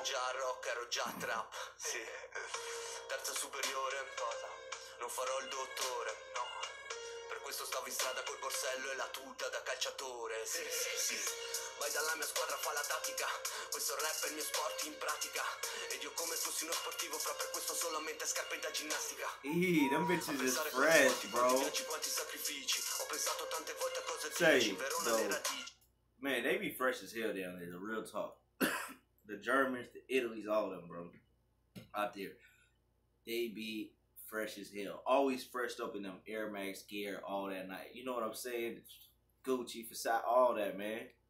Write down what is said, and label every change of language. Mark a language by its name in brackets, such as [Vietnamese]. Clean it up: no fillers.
[Italian] Terza superiore, non farò il dottore, no. Per questo stavo in strada col borsello e la tuta da calciatore. Sì. Vai dalla mia squadra, fa la tattica. Questo rap è il mio sport in pratica. Ed io come fossi uno sportivo, fra per questo solamente scarpe da ginnastica. [English] Them bitches is fresh, bro. [Italian] Quanti sacrifici. Ho pensato tante volte a cose difficili. [English] Man, they be fresh as hell down there, the real talk. The Germans, the Italys, all of them, bro. Out there. They be fresh as hell. Always fresh up in them Air Max gear all that night. You know what I'm saying? Gucci, Versace, all that, man.